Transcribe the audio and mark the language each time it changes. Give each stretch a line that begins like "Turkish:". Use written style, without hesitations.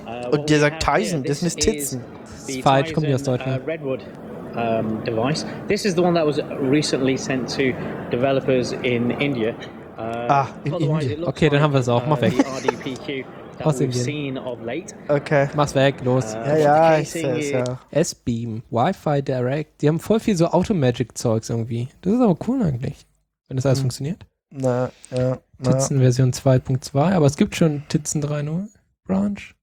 German: Und der sagt Tizen, das ist Titzen. Das ist falsch, kommt aus Deutschland.
English: Redwood device. This is the one that was recently sent to developers in India. Ah, in India.
German: Okay, dann haben wir es auch. Mach weg. Aus Indien. Okay. Mach's weg, los. Ja, ich sehe es, ja. S-Beam, Wi-Fi Direct. Die haben voll viel so Automagic-Zeugs irgendwie. Das ist aber cool eigentlich, wenn das alles funktioniert. Na, ja. Titzen Version 2.2, aber es gibt schon Titzen 3.0 Branch.